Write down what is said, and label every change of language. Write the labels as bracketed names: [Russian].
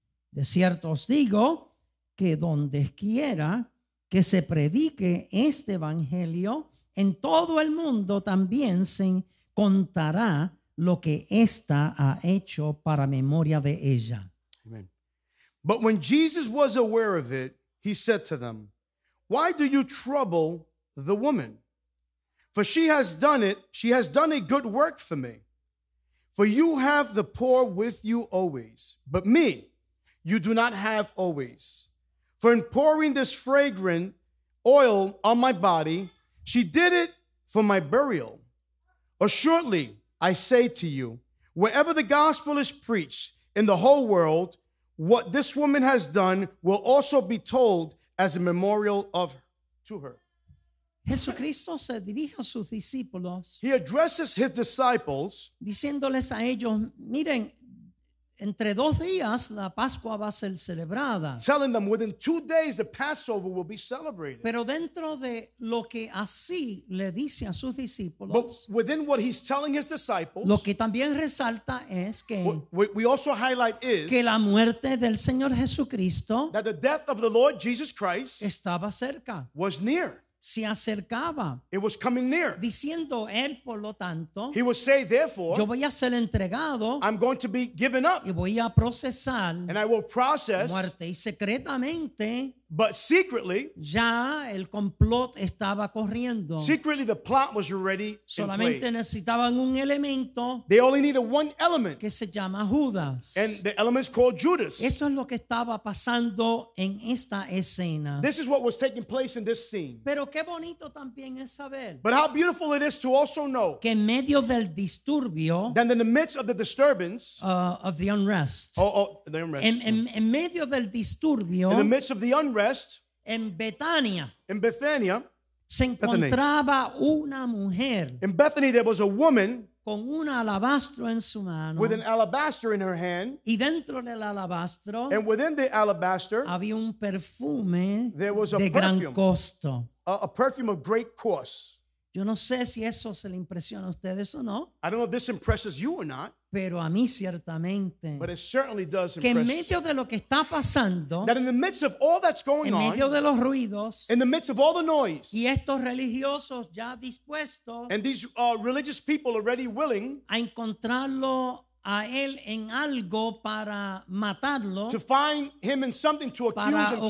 [Spanish] De cierto os digo, que donde quiera que se predique este evangelio, en todo el mundo también se contará lo que ésta ha hecho para memoria de ella. Amen. [English] But when Jesus was aware of it, he said to them, why do you trouble the woman? For she has done a good work for me. For you have the poor with you always, but me you do not have always. For in pouring this fragrant oil on my body, she did it for my burial. Assuredly, I say to you, wherever the gospel is preached in the whole world, what this woman has done will also be told as a memorial of to her. [Spanish] Jesucristo se dirige a sus discípulos. [English] He addresses his disciples. [Spanish] Diciéndoles a ellos, miren, entre dos días la Pascua va a ser celebrada. [English] Telling them within 2 days the Passover will be celebrated. [Spanish] Pero dentro de lo que así le dice a sus discípulos. [English] But within what he's telling his disciples. [Spanish] Lo que también resalta es que. [English] We also highlight is. [Spanish] Que la muerte del Señor Jesucristo. [English] That the death of the Lord Jesus Christ. [Spanish] Estaba cerca. [English] Was near. [Spanish] Se acercaba. [English] It was coming near. [Spanish] Diciendo él, por lo tanto, [English] he would say, therefore, [Spanish] yo voy a ser entregado, [English] I'm going to be given up. [Spanish] Y voy a procesar, [English] and I will process. [Spanish] Muerte. Y secretamente, [English] but secretly, [Spanish] ya el complot estaba corriendo. [English] Secretly, the plot was already in play. [Spanish] Solamente necesitaban un elemento. [English] They only needed one element. [Spanish] Que se llama Judas. [English] And the element is called Judas. [Spanish] Esto es lo que estaba pasando en esta escena. [English] This is what was taking place in this scene. [Spanish] Pero qué bonito también es saber. [English] But how beautiful it is to also know. [Spanish] Que en medio del disturbio. [English] That in the midst of the disturbance. Of the unrest. The unrest. [Spanish] En medio del disturbio. [English] In the midst of the unrest, [Spanish] en Betania, [English] in Bethania, [Spanish] se encontraba una mujer. [English] In Bethany, there was a woman [Spanish] con un alabastro en su mano. [English] With an alabaster in her hand. [Spanish] Y dentro del alabastro, [English] and within the alabaster, [Spanish] había un perfume, [English] there was [Spanish] de [English] perfume, [Spanish] gran costo. [English] A perfume of great cost. [Spanish] Yo no sé si eso se le impresiona a ustedes o no. [English] I don't know if this impresses you or not. [Spanish] Pero a mí ciertamente. [English] But it certainly does impress. [Spanish] Que en medio de lo que está pasando. [English] That in the midst of all that's going on. [Spanish] En medio de los ruidos. [English] In the midst of all the noise. [Spanish] Y estos religiosos ya dispuestos. [English] And these religious people already willing. [Spanish] A encontrarlo a él en algo para matarlo. [English] To find him in something to accuse and kill him.